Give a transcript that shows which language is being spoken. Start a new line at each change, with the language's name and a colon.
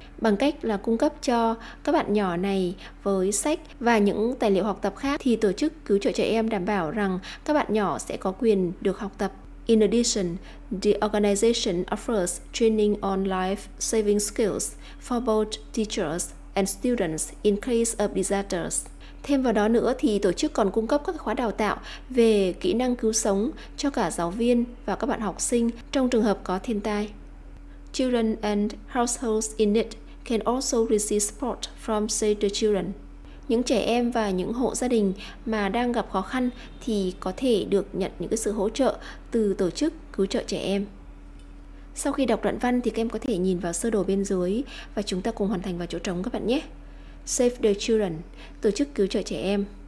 Vietnamese: Bằng cách là cung cấp cho các bạn nhỏ này với sách và những tài liệu học tập khác thì tổ chức cứu trợ trẻ em đảm bảo rằng các bạn nhỏ sẽ có quyền được học tập.
English: In addition, the organization offers training on life-saving skills for both teachers and students in case of disasters.
Vietnamese: Thêm vào đó nữa thì tổ chức còn cung cấp các khóa đào tạo về kỹ năng cứu sống cho cả giáo viên và các bạn học sinh trong trường hợp có thiên tai.
English: Children and households in need can also receive support from Save the Children.
Vietnamese: Những trẻ em và những hộ gia đình mà đang gặp khó khăn thì có thể được nhận những cái sự hỗ trợ từ tổ chức cứu trợ trẻ em. Sau khi đọc đoạn văn thì các em có thể nhìn vào sơ đồ bên dưới và chúng ta cùng hoàn thành vào chỗ trống các bạn nhé. Save the Children, tổ chức cứu trợ trẻ em.